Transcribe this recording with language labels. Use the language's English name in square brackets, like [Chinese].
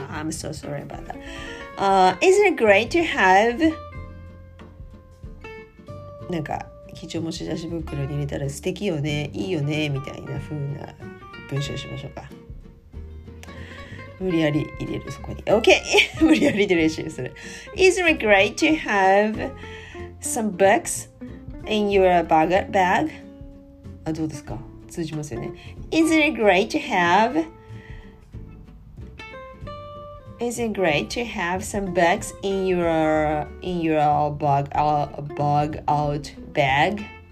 [English] I'm so sorry about that. Isn't it great to have? [Japanese] なんか貴重持ち出し袋に入れたら素敵よね、いいよねみたいな風な文章しましょうか。無理やり入れるそこに。 OK! 無理やりで練習する。 [English] Isn't it great to have some books in your bag? [Japanese] あ、どうですか、通じますよね。 [English] Isn't it great to have some bags in your bug out bag?